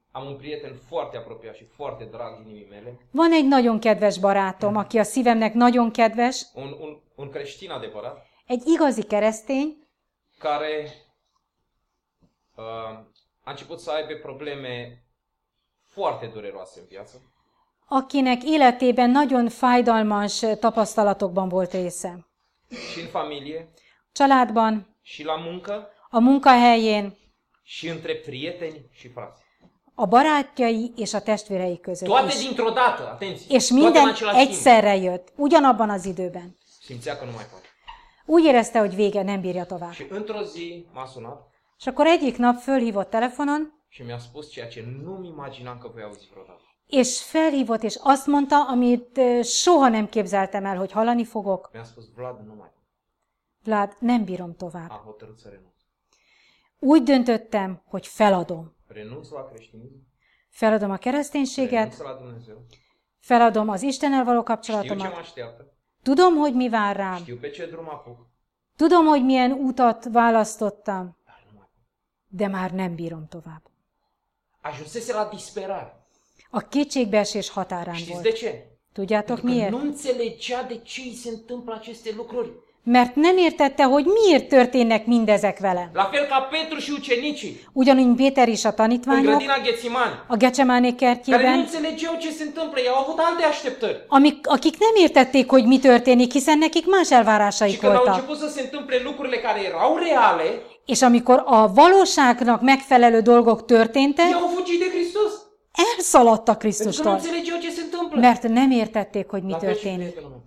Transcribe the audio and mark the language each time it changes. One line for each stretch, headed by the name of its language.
Romanian: Am un prieten foarte apropiat și foarte drag inimii mele.
Hungarian: Van egy nagyon kedves barátom, aki a szívemnek nagyon kedves.
Romanian: Un creștin adevărat.
Hungarian: Egy igazi keresztény.
Romanian: Care a început să aibă probleme foarte dureroase în viață.
Hungarian: Akinek életében nagyon fájdalmas tapasztalatokban volt része.
Romanian: Și în familie.
Hungarian: Családban.
Romanian: Și la muncă.
Hungarian: A munkahelyén.
Romanian: Și între prieteni și frați.
Hungarian: A barátjai és a testvérei között.
Romanian: Toate dintr-o dată, atenție.
Hungarian: És minden egyszerre jött, ugyanabban az időben.
Romanian: Simțea că nu mai pot.
Hungarian: Úgy érezte, hogy vége, nem bírja tovább.
Romanian: Și într-o zi m-a sunat.
Hungarian: És akkor egyik nap fölhívott telefonon.
Romanian: Și mi-a spus ceea ce nu imaginam că voi auzi vreodată.
Hungarian: És felhívott, és azt mondta, amit soha nem képzeltem el, hogy hallani fogok.
Romanian: Mi-a spus, Vlad, nu mai.
Hungarian: Vlad, nem bírom tovább.
Romanian: A hotărât să renunț.
Hungarian: Úgy döntöttem, hogy feladom.
Romanian: Renunț la creștinism.
Hungarian: Feladom a kereszténységet.
Romanian: Renunț la Dumnezeu.
Hungarian: Feladom az Istennel való kapcsolatomat.
Romanian: Știu ce mă așteaptă.
Hungarian: Tudom, hogy mi vár rám.
Romanian: Știu pe ce drum apuc.
Hungarian: Tudom, hogy milyen utat választottam. De már nem bírom tovább.
Romanian: Ajunsese la disperare.
Hungarian: A kétségbeesés határán
Romanian: știți
Hungarian: volt.
Romanian: De ce?
Hungarian: Tudjátok miért?
Romanian: Nu înțelegea de ce îi se întâmplă aceste lucruri.
Hungarian: Mert nem értette, hogy miért történnek mindezek vele.
Romanian: La fel ca Petru și ucenicii.
Hungarian: Ugyanúgy Péter is a tanítványok.
Romanian: În grădina Getsemani.
Hungarian: A Getsemani kertjében.
Romanian: Care nu înțelegeau ce se întâmplă. Ei au avut alte așteptări.
Hungarian: Akik nem értették, hogy mi történik, hiszen nekik más elvárásaik voltak.
Romanian: Și când au început să se întâmple lucrurile care erau reale.
Hungarian: És amikor a valóságnak megfelelő dolgok történtek.
Romanian: Ei au fugit de Hristos.
Hungarian: Elszaladtak Krisztustól, mert nem értették, hogy mi történik.